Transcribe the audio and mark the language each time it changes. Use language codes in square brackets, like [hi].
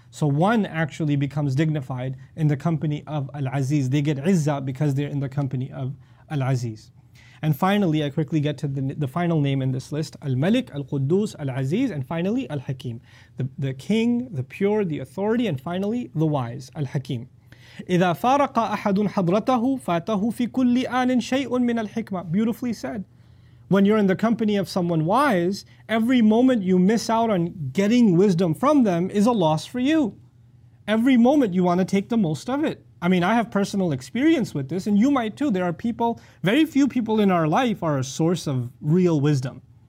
[en] So one actually becomes dignified in the company of Al-Aziz. They get Izzah because they're in the company of Al-Aziz. And finally, I quickly get to the final name in this list, Al-Malik, Al-Quddus, Al-Aziz, and finally Al-Hakim. The king, the pure, the authority, and finally the wise, Al-Hakim. [ar] إِذَا فَارَقَ أَحَدٌ حَضْرَتَهُ فَاتَهُ فِي كُلِّ آنٍ شَيْءٌ مِنَ الْحِكْمَةِ [en] Beautifully said. When you're in the company of someone wise, every moment you miss out on getting wisdom from them is a loss for you. Every moment you want to take the most of it. I mean, I have personal experience with this, and you might too. There are people, very few people in our life are a source of real wisdom.